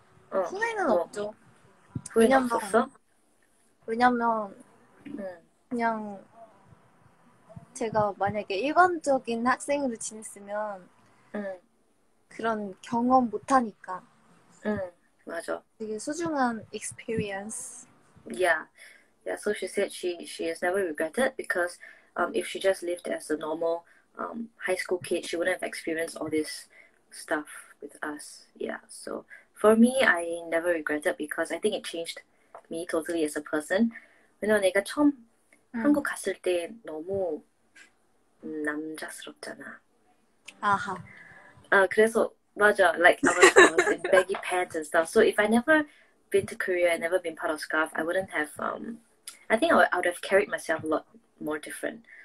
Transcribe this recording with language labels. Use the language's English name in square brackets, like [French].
[Korean] 후회는 없죠. 후회는 없었어? 왜냐면 그냥 제가 만약에 일반적인 학생으로 지냈으면 그런 경험 못하니까 맞아. 되게 소중한 experience. [English] Yeah, so she said she has never regretted because if she just lived as a normal high school kid, she wouldn't have experienced all this stuff with us. Yeah, so for me, I never regretted because I think it changed me totally as a person. [Korean] 왜냐면 내가 처음 한국 갔을 때 너무 남자스럽잖아. 아하. [English] 그래서 맞아, like I was in baggy pants and stuff. So if I never been to Korea and never been part of SCARF, I wouldn't have, I think I would have carried myself a lot more different.